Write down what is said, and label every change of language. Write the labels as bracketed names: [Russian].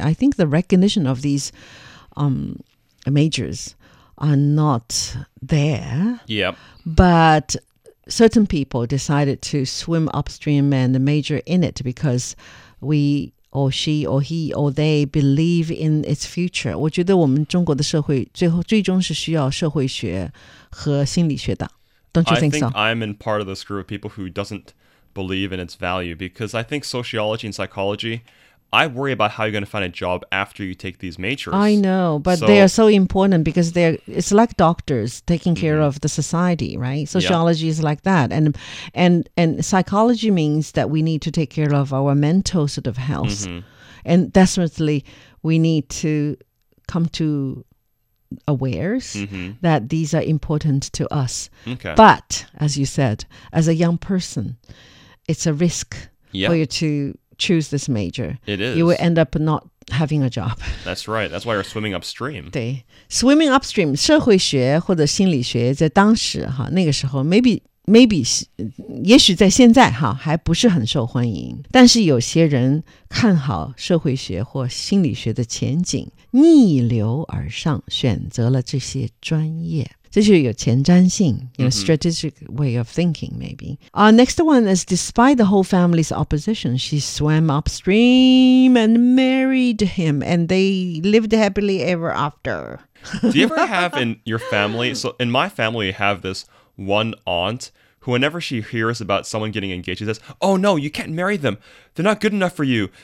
[English] I think the recognition of these majors are not there. Yep. But certain people decided to swim upstream and major in it because we... or she or he or they believe in its future. [Chinese] 我觉得我们中国的社会最终是需要社会学和心理学的。 [English] Don't you think so? I think I'm in part of this group of people who doesn't believe in its value because I think sociology and psychology, I worry about how you're going to find a job after you take these majors. I know, but they are so important because it's like doctors taking care of the society, right? Sociology is like that. And psychology means that we need to take care of our mental sort of health. Mm-hmm. And desperately, we need to come to awares that these are important to us. Okay. But, as you said, as a young person, it's a risk for you to choose this major. It is. You will end up not having a job. That's right. That's why you're swimming upstream. [Chinese] 对。 [English] Swimming upstream, [Chinese] 社会学或者心理学在当时哈那个时候 maybe, 也许在现在哈还不是很受欢迎。但是有些人看好社会学或心理学的前景逆流而上选择了这些专业。这就有前瞻性 [English] you know, strategic way of thinking, maybe. Next one is, despite the whole family's opposition, she swam upstream and married him, and they lived happily ever after. Do you ever have in your family, so in my family, you have this one aunt, who whenever she hears about someone getting engaged, she says, oh no, you can't marry them. They're not good enough for you.